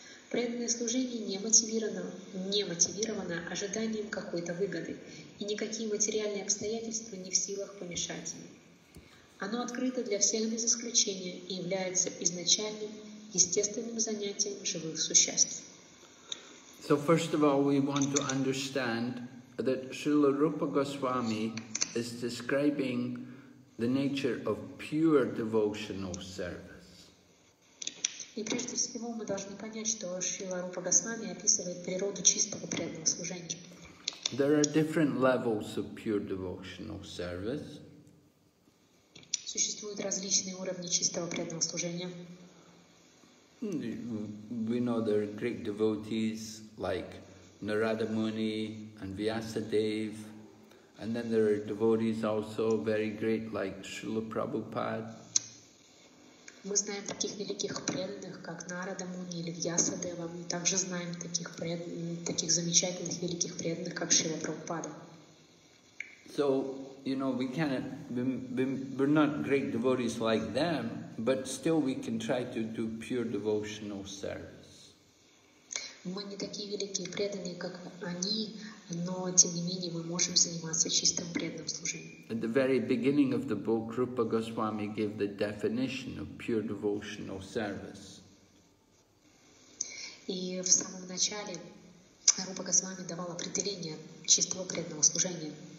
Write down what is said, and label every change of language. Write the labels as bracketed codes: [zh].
[ru] Преданное служение не мотивировано ожиданием какой-то выгоды, и никакие материальные обстоятельства не в силах помешать ему. Оно открыто для всех без исключения и является изначальным, естественным занятием живых существ. [en] So first of all, we want to understand that Srila Rupa Goswami is describing the nature of pure devotional service. [ru] И прежде всего мы должны понять, что Шрила Рупа Госвами описывает природу чистого преданного служения. [en] There are different levels of pure devotional service. [ru] Существуют различные уровни чистого преданного служения. [en] We know there are great devotees like Narada Muni and Vyasadeva, and then there are devotees also very great like Srila Prabhupada. [ru] Мы знаем таких великих преданных, как Нарада Муни или Вьясадева. Мы также знаем таких замечательных великих преданных, как Шрила Прабхупада. [en] So, you know, we're not great devotees like them, but still we can try to do pure devotional service. [ru] Мы не такие великие преданные, как они, но тем не менее мы можем заниматься чистым преданным служением. [en] At the very beginning of the book, Rupa Goswami gave the definition of pure devotional service. [ru] И в самом начале Рупа Госвами давал определение чистого преданного служения.